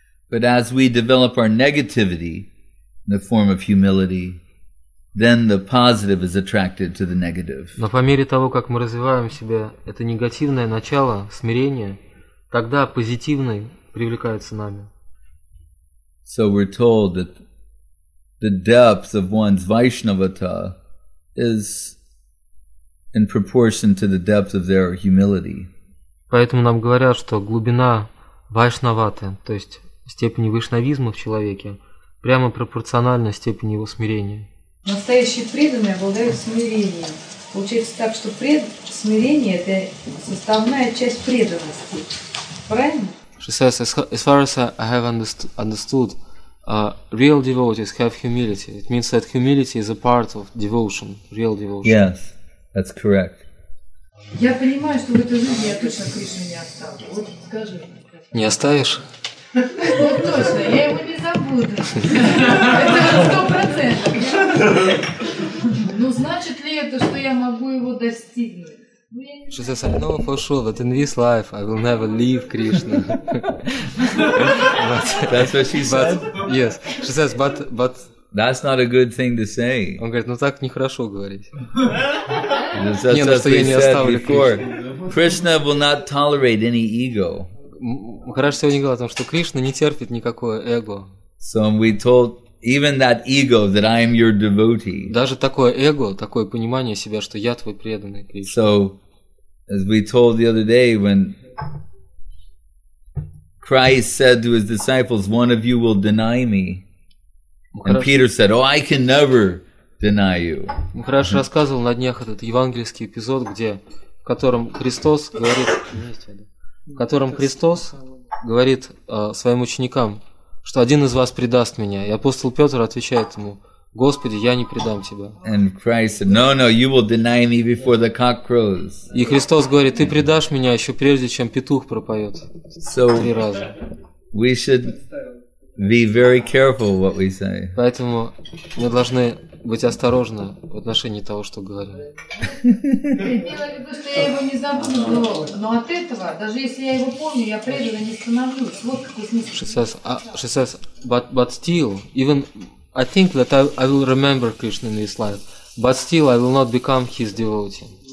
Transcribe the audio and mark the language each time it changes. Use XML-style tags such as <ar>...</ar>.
<en>But as we develop our negativity in the form of humility, then the positive is attracted to the negative.</en> <ru>Но по мере того, как мы развиваем в себе это негативное начало смирения, тогда позитивное привлекается нами. So we're told that the depth of one's Vaishnavata is in proportion to the depth of their humility. Поэтому нам говорят, что глубина Вайшнаваты, то есть степени вайшнавизма в человеке, прямо пропорционально степени его смирения. Настоящие преданные обладают смирением. Получается так, что смирение – это составная часть преданности. Правильно?</ru> <en>She says, as far as I have understood, real devotees have humility. It means that humility is a part of devotion, real devotion. Yes, that's correct.</en> <ru>Я понимаю, что в этой жизни я точно Кришне не оставлю. Вот скажи. Не оставишь? Ну точно, я его не забуду. Это 100%. Ну значит ли это, что я могу его достигнуть?</ru> <en>Jesus said, no, for sure, but in this life I will never leave Krishna. But, that's what she said? Yes. She says, but... That's not a good thing to say.</en> <ru>Он говорит, ну так нехорошо говорить.</ru> <en>Just as we said before, Krishna will not tolerate any ego.</en> <ru>Махарадж сегодня говорил о том, что Кришна не терпит никакого эго.</ru> <en>So we told... Even that ego that I am your devotee.</en> <ru>Даже такое эго, такое понимание себя, что я твой преданный Кришна.</ru> <en>So, as we told the other day, when Christ said to his disciples, "One of you will deny me," and Peter said, "Oh, I can never deny you."</en> <ru>Хорошо рассказывал на днях этот евангельский эпизод, где в котором Христос говорит, в котором Христос говорит своим ученикам. Что один из вас предаст меня. И апостол Петр отвечает ему: Господи, я не предам тебя.</ru> <en>And Christ said, no, you will deny me before the cock crows.</en> <ru>И Христос говорит: ты предашь меня еще прежде, чем петух пропоет.</ru> <en>So,</en> <ru>три раза.</ru> <en>We should be very careful what we say.</en> <ru>Поэтому мы должны быть осторожны в отношении того, что говорим. Я имела в виду, что я его не забуду, но от этого, даже если я его помню, я преданно не становлюсь. Вот какой смысл.</ru> <en>She says, but still, even I think that I will remember Krishna in this life, but still I will not become his devotee.</en>